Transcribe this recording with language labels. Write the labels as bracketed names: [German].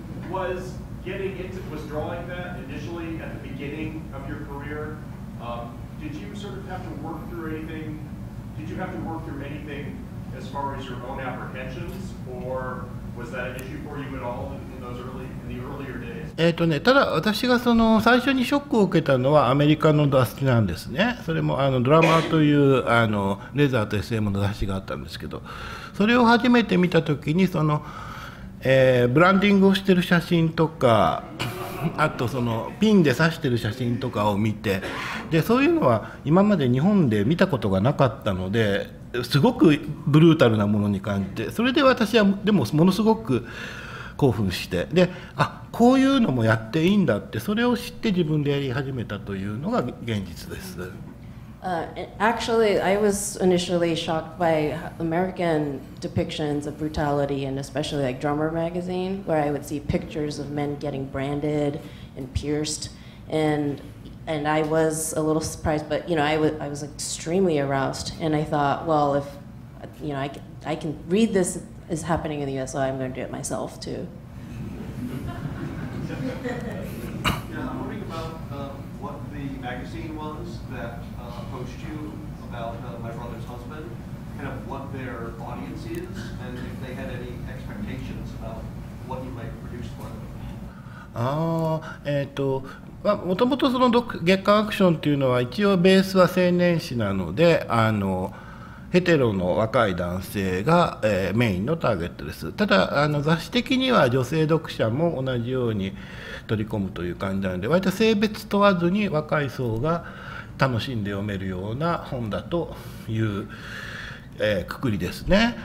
[English] Was getting into, was drawing that initially at the beginning of your career, did you sort of have to work through anything? Did you have to work through anything as far as your own apprehensions, or was that an issue for you at all in those early, in the earlier days? [Japanese] ただ私がその最初にショックを受けたのはアメリカの雑誌なんですね。それもドラマーというレザーと SM の雑誌があったんですけど、それを初めて見た時にその、ブランディングをしている写真とか、あとそのピンで刺している写真とかを見て、でそういうのは今まで日本で見たことがなかったので、すごくブルータルなものに感じて、それで私はでもものすごく興奮して、で、あ、こういうのもやっていいんだって、それを知って自分でやり始めたというのが現実です。 [English] Actually, I was initially shocked by American depictions of brutality, and especially like Drummer magazine, where I would see pictures of men getting branded and pierced, and I was a little surprised, but you know, I was extremely aroused, and I thought, well, if you know, I can read this is happening in the US, so I'm going to do it myself too. Yeah, I'm wondering about what the magazine was that approached you about my brother's husband, kind of what their audience is, and if they had any expectations about what you might produce for them. [Japanese] もともとその月刊アクションというのは一応ベースは青年誌なので、ヘテロの若い男性が、メインのターゲットです。ただ雑誌的には女性読者も同じように取り込むという感じなので、割と性別問わずに若い層が楽しんで読めるような本だという、くくりですね。